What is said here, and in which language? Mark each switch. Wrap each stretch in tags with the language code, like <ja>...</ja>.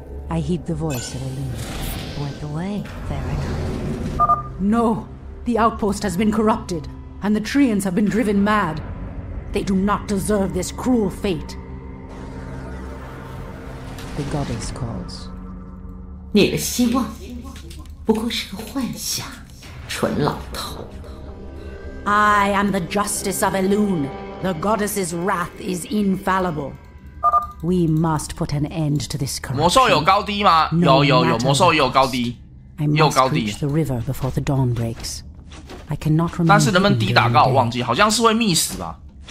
<en>I heed the voice of Elune. Went away, fair enough. No, the outpost has been corrupted, and the Treants have been driven mad. They do not deserve this cruel fate. The goddess calls.</en> <zh>你的希望不过是个幻想，蠢老头。</zh> <en>I am the justice of Elune. The goddess's wrath is infallible. We must put an end to this corruption.</en> <zh>魔兽有高低吗？有有有，魔兽也有高低，也有高低。</zh> <en>I must reach the river before the dawn breaks. I cannot remember.</en> <zh>但是能不能低打高，我忘记，好像是会 miss 吧。</zh>